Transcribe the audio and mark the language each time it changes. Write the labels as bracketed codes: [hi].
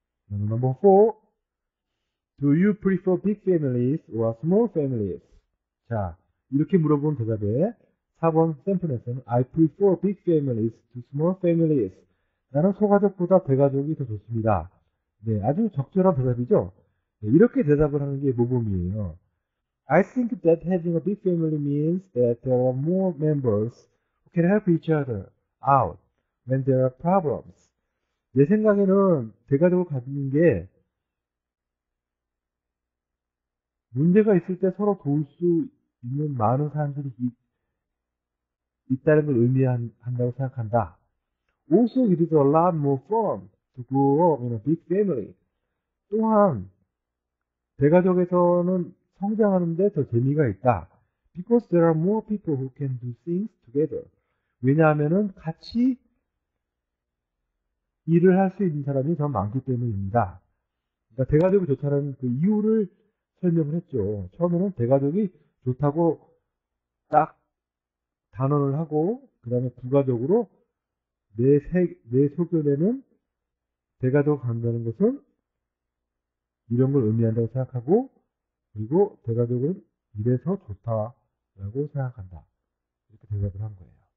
[en] Number 4. Do you prefer big families or small families? [ko] 자, 이렇게 물어본 대답에 4번 샘플에서는 [en] I prefer big families to small families. [ko] 나는 소가족보다 대가족이 더 좋습니다. 네, 아주 적절한 대답이죠. 네, 이렇게 대답을 하는 게 모범이에요. [en] I think that having a big family means that there are more members who can help each other out when there are problems. [ko] 내 생각에는 대가족을 가지는 게 문제가 있을 때 서로 도울 수 있는 많은 사람들이 있다는 걸 의미한다고 생각한다. [en] Also, it is a lot more fun to grow up in a big family. [ko] 또한, 대가족에서는 성장하는데 더 재미가 있다. [en] Because there are more people who can do things together. [ko] 왜냐하면 같이 일을 할수 있는 사람이 더 많기 때문입니다. 그러니까 대가족이 좋다는 그 이유를 설명을 했죠. 처음에는 대가족이 좋다고 딱 단언을 하고, 그 다음에 부가적으로 내 소견에는 대가족 간다는 것은 이런 걸 의미한다고 생각하고, 그리고 대가족은 이래서 좋다라고 생각한다. 이렇게 대답을 한 거예요.